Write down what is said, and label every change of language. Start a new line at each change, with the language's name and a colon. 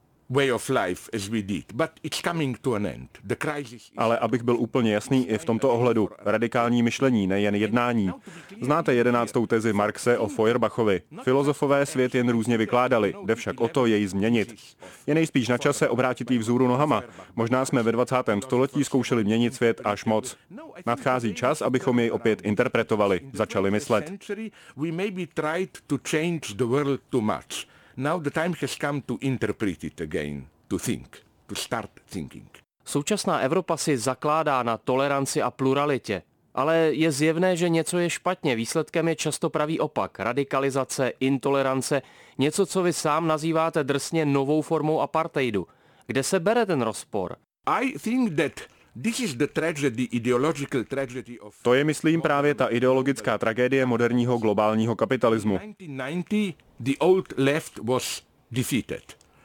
English: Way of life as we did, but it's coming to an end. The crisis.
Czech: Ale abych byl úplně jasný i v tomto ohledu, radikální myšlení, nejen jednání. Znáte 11. tezi Marxe o Feuerbachovi. Filozofové svět jen různě vykládali, jde však o to jej změnit. Je nejspíš na čase obrátit jí vzůru nohama. Možná jsme ve 20. století zkoušeli měnit svět až moc. Nadchází čas, abychom jej opět interpretovali, začali myslet.
English: We maybe tried to change the world too much. Now the time has come to interpret it again, to think, to start thinking.
Czech: Současná Evropa si zakládá na toleranci a pluralitě, ale je zjevné, že něco je špatně. Výsledkem je často pravý opak, radikalizace, intolerance, něco, co vy sám nazýváte drsně novou formou apartheidu. Kde se bere ten rozpor?
English: I think that this is the tragedy, ideological tragedy of...
Czech: To je, myslím, právě ta ideologická tragédie moderního globálního kapitalismu.
English: The old left was defeated.